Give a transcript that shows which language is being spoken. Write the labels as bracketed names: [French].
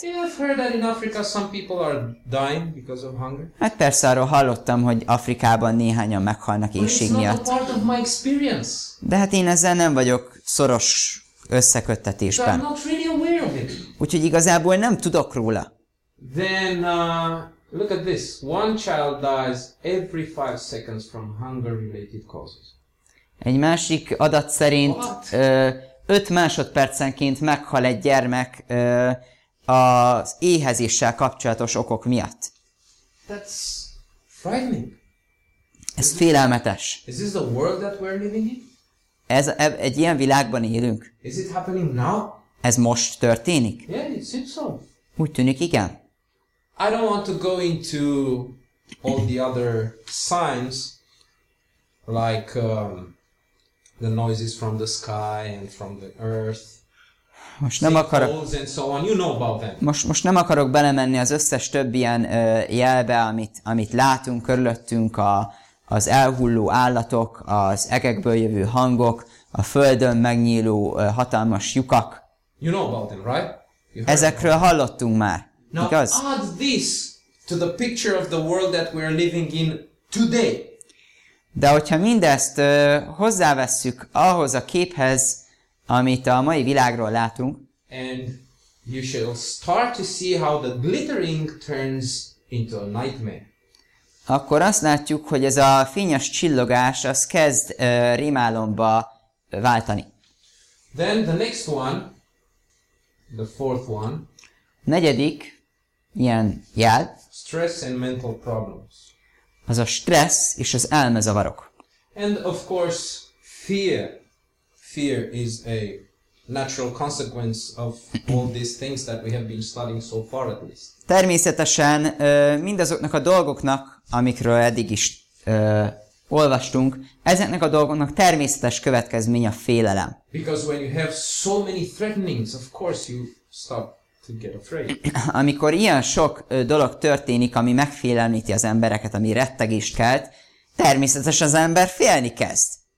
[English] I've heard that in Africa some people are dying because of hunger. [Hungarian] Hát persze arról hallottam, hogy Afrikában néhányan meghalnak éhség miatt. [English] But it's not a part of my experience. [Hungarian] De hát én ezzel nem vagyok szoros összeköttetésben. [English] So I'm not really aware of it. [Hungarian] Úgyhogy igazából nem tudok róla. [English] Then look at this. One child dies every 5 seconds from hunger-related causes. [Hungarian] Egy másik adat szerint 5 másodpercenként meghal egy gyermek az éhezéssel kapcsolatos okok miatt. [English] That's frightening. [Hungarian] Ez félelmetes. [English] Is this the world that we're living in? [Hungarian] Egy ilyen világban élünk. [English] Is it happening now? [Hungarian] Ez most történik? [English] Yeah, it seems so. [Hungarian] Úgy tűnik, igen. [English] I don't want to go into all the other signs, like the noises from the sky and from the earth. [Hungarian] Most nem akarok. [English] Sinkholes and so on. You know about them. [Hungarian] Most nem akarok belemenni az összes több ilyen jelbe, amit látunk körülöttünk, az elhulló állatok, az egekből jövő hangok, a földön megnyíló hatalmas lyukak. [English] You know about them, right? [Hungarian] Ezekről hallottunk már. [English] Now [Hungarian] igaz? [English] Add this to the picture of the world that we are living in today. [Hungarian] De hogyha mindezt hozzávesszük ahhoz a képhez, amit a mai világról látunk, [English] and you shall start to see how the glittering turns into a nightmare. [Hungarian] Akkor azt látjuk, hogy ez a fényes csillogás az kezd rémálomba váltani. [English] Then the next one, the fourth one. [Hungarian] Negyedik ilyen jel. [English] Stress and mental problems. [Hungarian] Az a stressz és az elmezavarok. [English] And of course fear. Fear is a natural consequence of all these things that we have been studying so far at least. [Hungarian] Természetesen mindazoknak a dolgoknak, amikről eddig is olvastunk, ezeknek a dolgoknak természetes következmény a félelem. [English] Because when you have so many threatenings, of course you stop. Get afraid. [Hungarian] Amikor ilyen sok dolog történik, ami megfélemlíti az embereket, ami rettegést kelt, természetesen az ember félni kezd.